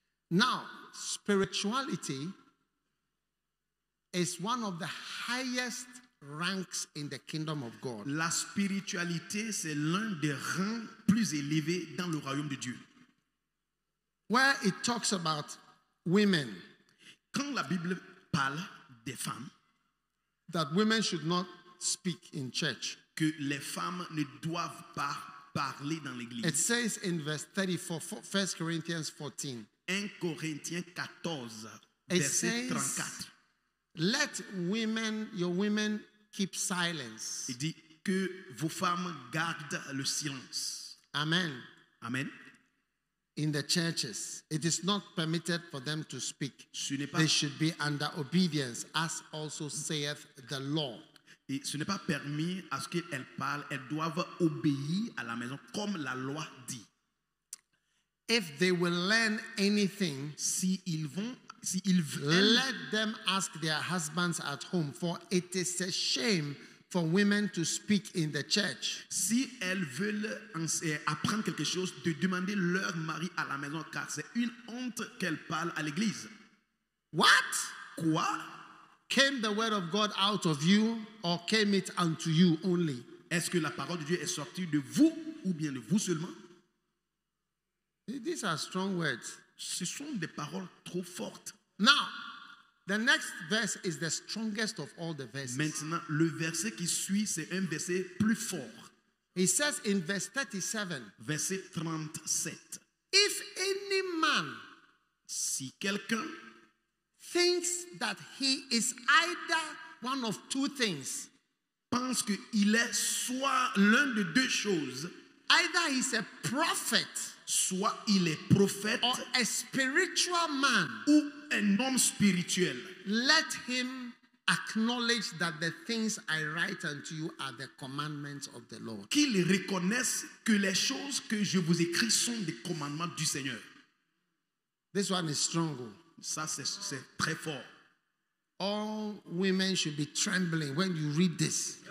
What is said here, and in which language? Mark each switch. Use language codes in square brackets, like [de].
[en] Now, spirituality is one of the highest ranks in the kingdom of God. [fr] La spiritualité, c'est l'un des rangs plus élevés dans le royaume de Dieu. [en] Where it talks about women, [fr] quand la Bible parle des femmes, [en] that women should not speak in church, [fr] que les femmes ne doivent pas parler dans l'église. [en] It says in verse 34, 1 Corinthians 14, [fr] 1 Corinthiens 14, verset 34. [en] Let women, your women, keep silence. [fr] Il dit que vos femmes gardent le silence. [en] Amen. [fr] Amen. [en] In the churches, it is not permitted for them to speak. [fr] Ce n'est pas [en] they should be under obedience, as also saith the law. [fr] Et ce n'est pas permis à ce qu'elles parlent. Elles doivent obéir à la maison, comme la loi dit. [en] If they will learn anything, let them ask their husbands at home, for it is a shame for women to speak in the church. [fr] Si elles veulent apprendre quelque chose, de demander leur mari à la maison, car c'est une honte qu'elles parlent à l'église. [en] What? [fr] Quoi? [en] Came the word of God out of you, or came it unto you only? [fr] Est-ce que la parole de Dieu est sortie de vous ou bien de vous seulement? [en] These are strong words. [fr] Ce sont des paroles trop fortes. [en] Now, the next verse is the strongest of all the verses. [fr] Maintenant, le verset qui suit, c'est un verset plus fort. [en] It says in verse 37. [fr] Verset 37. [en] If any man, [fr] si quelqu'un, [en] thinks that he is either one of two things, [fr] pense qu'il est soit l'un de deux choses, [en] either he's a prophet, [fr] soit il est prophète, [en] or a spiritual man, [fr] ou un homme spirituel, [en] let him acknowledge that the things I write unto you are the commandments of the Lord. [fr] Qu'il reconnaisse que les choses que je vous écris sont des commandements du Seigneur. [en] This one is strong. [fr] Ça, c'est très fort. [en] All women should be trembling when you read this.